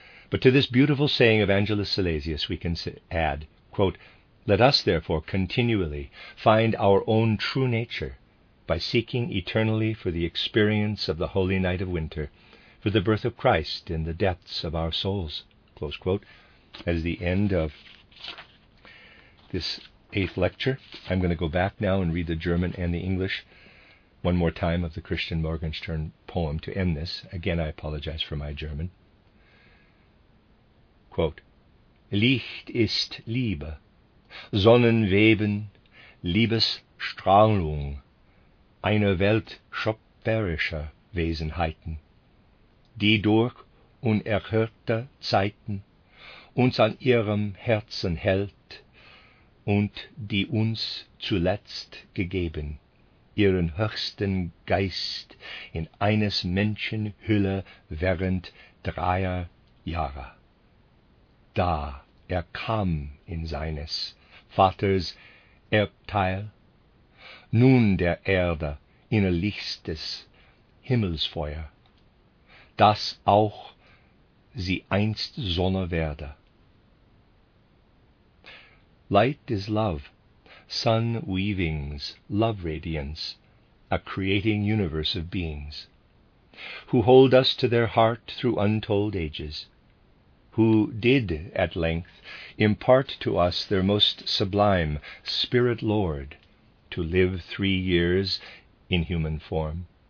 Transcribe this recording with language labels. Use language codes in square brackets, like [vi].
[en] But to this beautiful saying of Angelus Silesius we can add, quote, "Let us therefore continually find our own true nature by seeking eternally for the experience of the holy night of winter, for the birth of Christ in the depths of our souls." Close quote. That is the end of this 8th lecture. I'm going to go back now and read the German and the English one more time of the Christian Morgenstern poem to end this. Again, I apologize for my German. [de] Quote, "Licht ist Liebe, Sonnenweben, Liebesstrahlung, eine Welt schöpferischer Wesenheiten, die durch unerhörte Zeiten uns an ihrem Herzen hält und die uns zuletzt gegeben ihren höchsten Geist in eines Menschen Hülle während 3 Jahre. Da er kam in seines Vaters Erbteil, nun der Erde innerlichstes Himmelsfeuer, dass auch sie einst Sonne werde. [en] Light is love, sun weavings, love radiance, a creating universe of beings, who hold us to their heart through untold ages, who did at length impart to us their most sublime spirit Lord to live 3 years in human form.